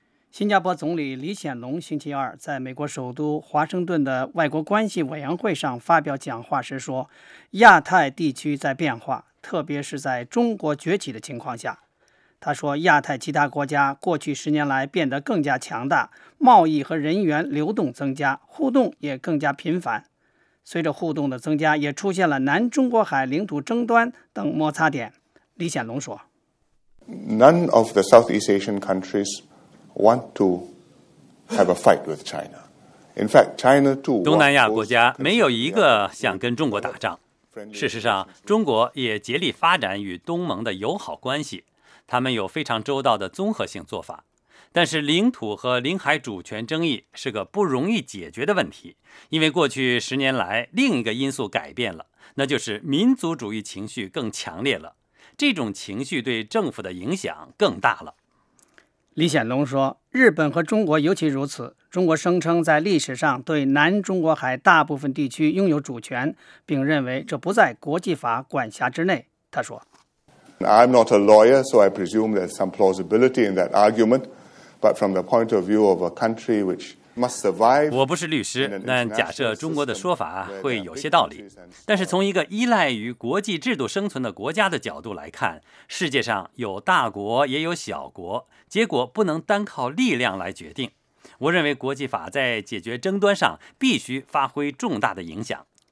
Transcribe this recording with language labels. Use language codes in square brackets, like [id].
[zh] 新加坡总理李显龙星期二在美国首都华盛顿的外国关系委员会上发表讲话时说，亚太地区在变化，特别是在中国崛起的情况下。他说，亚太其他国家过去十年来变得更加强大，贸易和人员流动增加，互动也更加频繁。随着互动的增加，也出现了南中国海领土争端等摩擦点。李显龙说， [en] None of the Southeast Asian countries want to have a fight with China. In fact, China too. [zh] 东南亚国家没有一个想跟中国打仗。事实上，中国也竭力发展与东盟的友好关系，他们有非常周到的综合性做法。但是领土和领海主权争议是个不容易解决的问题，因为过去十年来另一个因素改变了，那就是民族主义情绪更强烈了，这种情绪对政府的影响更大了。李显龙说，日本和中国尤其如此，中国声称在历史上对南中国海大部分地区拥有主权，并认为这不在国际法管辖之内。他说， [en] I'm not a lawyer, so I presume there's some plausibility in that argument. But from the point of view of a country which must survive, [zh] 我不是律师，但假设中国的说法会有些道理。但是从一个依赖于国际制度生存的国家的角度来看，世界上有大国也有小国，结果不能单靠力量来决定。我认为国际法在解决争端上必须发挥重大的影响。